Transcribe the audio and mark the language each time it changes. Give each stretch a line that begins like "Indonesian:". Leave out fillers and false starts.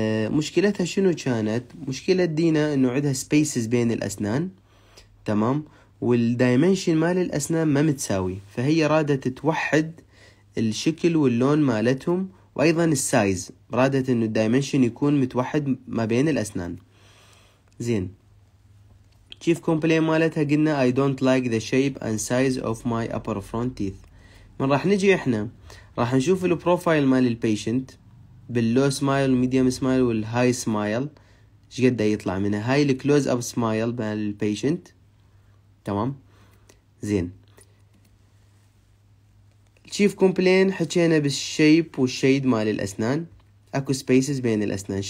Arabic: مشكلتها شنو كانت؟ مشكله دينا انه عندها سبيسز بين الاسنان، تمام، والدايمنشن مال الاسنان ما متساوي، فهي رادت توحد الشكل واللون مالتهم وايضا السايز، رادت انه الدايمنشن يكون متوحد ما بين الاسنان. زين تشيف كومبلين مالتها قلنا
English: I don't like the shape and size of my upper front teeth.
Arabic: من راح نجي احنا راح نشوف البروفايل مال البيشنت باللو سمايل والميديوم سمايل والهاي سمايل، ايش قد يطلع منها هاي الكلوز اب سمايل مال البيشنت، تمام. زين تشيف كومبلين حكينا بالشيب والشيد مال الاسنان، اكو سبيسز بين الاسنان.